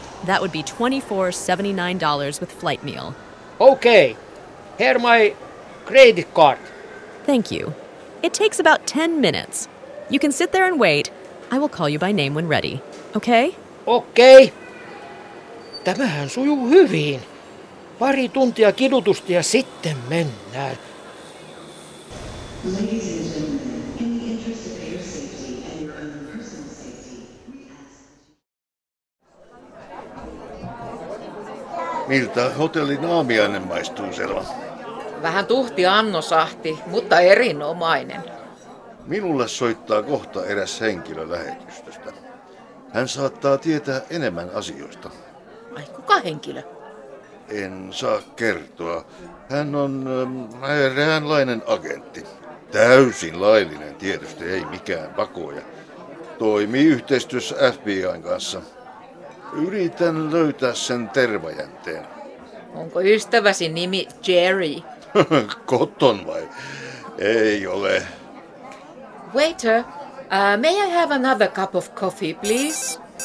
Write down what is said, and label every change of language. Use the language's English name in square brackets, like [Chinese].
[English] That would be $24.79 with flight meal. Okay. Here my credit card. Thank you. It takes about 10 minutes. You can sit there and wait. I will call you by name when ready. Okay? [Finnish] Okay. Tämähän sujuu hyvin. Pari tuntia kidutusta ja sitten mennään. Miltä hotellin aamiainen maistuu, Selva? Vähän tuhti annosahti, mutta erinomainen. Minulle soittaa kohta eräs henkilö lähetystöstä. Hän saattaa tietää enemmän asioista. Ai, kuka henkilö? En saa kertoa. Hän on eräänlainen agentti. Täysin laillinen tietysti, ei mikään pakoja. Toimii yhteistyössä FBI:n kanssa. Yritän löytää sen tervajänteen. Onko ystäväsi nimi Jerry? Cotton vai? Ei ole. [English] Waiter, may I have another cup of coffee, please?